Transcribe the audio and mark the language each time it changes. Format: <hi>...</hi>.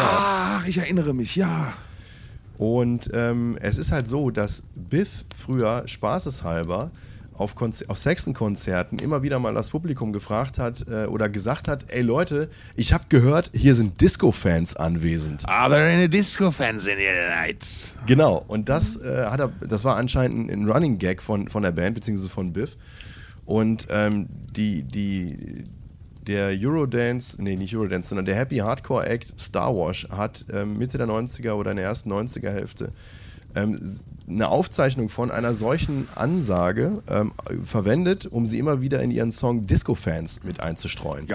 <de>Ach, ich erinnere mich, ja. Und es ist halt so, dass Biff früher spaßeshalber auf Saxon-Konzerten immer wieder mal das Publikum gefragt hat oder gesagt hat, ey Leute, ich habe gehört, hier sind Disco-Fans anwesend.</de> <en>Are there any Disco-Fans in here tonight?</en> <de>Genau, und das das war anscheinend ein Running-Gag von der Band, beziehungsweise von Biff. Und der Happy Hardcore-Act Starwash hat Mitte der 90er oder in der ersten 90er-Hälfte eine Aufzeichnung von einer solchen Ansage verwendet, um sie immer wieder in ihren Song Disco-Fans mit einzustreuen.</de>